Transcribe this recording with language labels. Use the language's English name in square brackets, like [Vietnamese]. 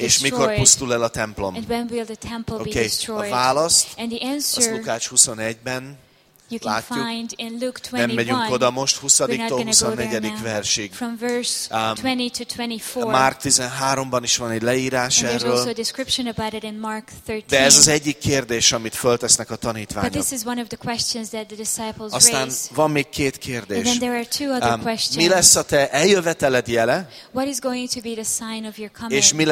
[Hungarian] És mikor pusztul el a templom? [English] And when will the temple be destroyed? [Hungarian] A választ, [English] and the answer, [Hungarian] azt Lukács 21-ben [English] you can [Hungarian] látjuk, [English] find in Luke 21, [Hungarian] nem megyünk oda most, 20-tól 24-dig versig. [English] From verse 20 to 24. [Hungarian] Márk 13-ban is van egy leírás [English] and [Hungarian] erről. [English] There's also a description about it in Mark 13. [Hungarian] De ez az egyik kérdés, amit föltesznek a tanítványok. [English] But this is one of the questions that the disciples raise. [Hungarian] Aztán van még két kérdés. [English] And then there are two other questions. [Hungarian] Mi lesz a te eljöveteled jele? [English] What is going to be the sign of your coming?